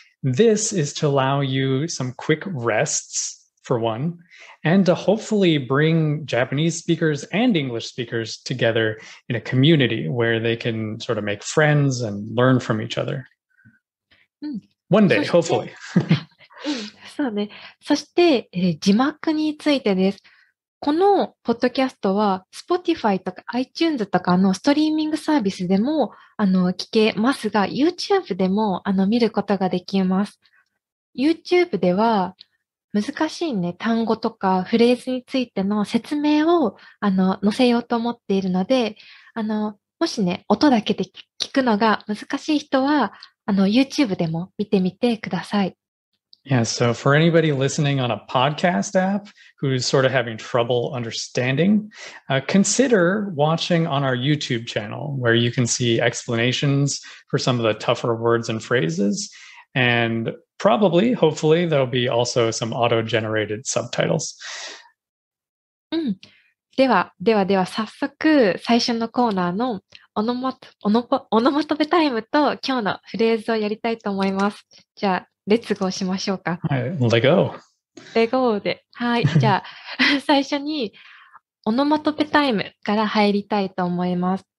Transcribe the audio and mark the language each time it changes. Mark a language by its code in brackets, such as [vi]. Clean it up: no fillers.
[en] This is to allow you some quick rests, for one, and to hopefully bring Japanese speakers and English speakers together in a community where they can sort of make friends and learn from each other. One day, hopefully. [ja] そうね。そして、字幕についてです。このポッドキャストは、Spotify とか iTunes とかのストリーミングサービスでも聞けますが、YouTube でも見ることができます。 YouTube では、難しいね、単語とかフレーズについての説明を載せようと思っているので、もしね、音だけで聞くのが難しい人は、YouTube でも見てみてください。 [en] Yeah, so for anybody listening on a podcast app who's sort of having trouble understanding, consider watching on our YouTube channel where you can see explanations for some of the tougher words and phrases. And probably, hopefully, there'll be also some auto-generated subtitles. [ja] うん。では、では、では、早速最初のコーナーのオノマトペタイムと今日のフレーズをやりたいと思います。じゃあ、レッツゴーしましょうか。はい、レゴー。レゴーで。はい、じゃあ、最初にオノマトペタイムから入りたいと思います。